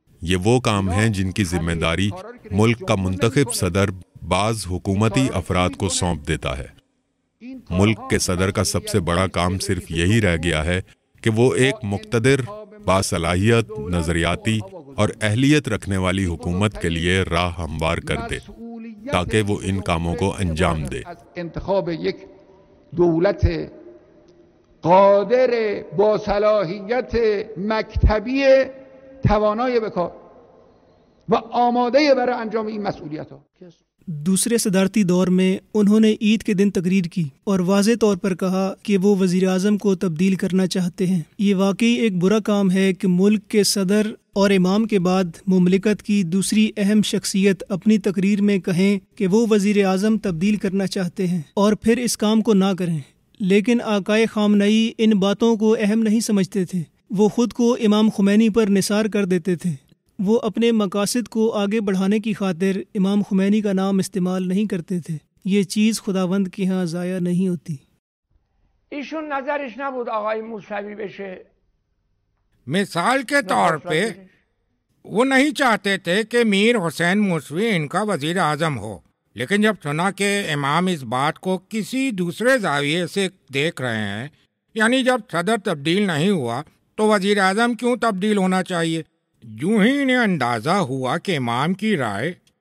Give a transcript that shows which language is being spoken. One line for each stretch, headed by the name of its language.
Urdu: یہ وہ کام ہیں جن کی ذمہ داری ملک کا منتخب صدر بعض حکومتی افراد کو سونپ دیتا ہے۔ ملک کے صدر کا سب سے بڑا کام صرف یہی رہ گیا ہے کہ وہ ایک مقتدر، باصلاحیت، نظریاتی اور اہلیت رکھنے والی حکومت کے لیے راہ ہموار کر دے تاکہ وہ ان کاموں کو انجام دے۔
Persian: انتخاب ایک دولت قادر، باصلاحیت، مکتبی، توانائی بکار و آمادہ برای انجام این مسئولیت ها۔
Urdu: دوسرے صدارتی دور میں انہوں نے عید کے دن تقریر کی اور واضح طور پر کہا کہ وہ وزیر اعظم کو تبدیل کرنا چاہتے ہیں۔ یہ واقعی ایک برا کام ہے کہ ملک کے صدر اور امام کے بعد مملکت کی دوسری اہم شخصیت اپنی تقریر میں کہیں کہ وہ وزیر اعظم تبدیل کرنا چاہتے ہیں اور پھر اس کام کو نہ کریں۔ لیکن آقائے خامنئی ان باتوں کو اہم نہیں سمجھتے تھے، وہ خود کو امام خمینی پر نثار کر دیتے تھے، وہ اپنے مقاصد کو آگے بڑھانے کی خاطر امام خمینی کا نام استعمال نہیں کرتے تھے۔ یہ چیز خداوند کے ہاں ضائع نہیں ہوتی۔
Persian: ایشون نظرش نبود آقای موسوی بشه،
Urdu: مثال کے طور پہ وہ نہیں چاہتے تھے کہ میر حسین موسوی ان کا وزیر اعظم ہو، لیکن جب سنا کہ امام اس بات کو کسی دوسرے زاویے سے دیکھ رہے ہیں، یعنی جب صدر تبدیل نہیں ہوا تو وزیر اعظم کیوں تبدیل ہونا چاہیے، یوں ہی انہیں اندازہ ہوا کہ امام کی رائے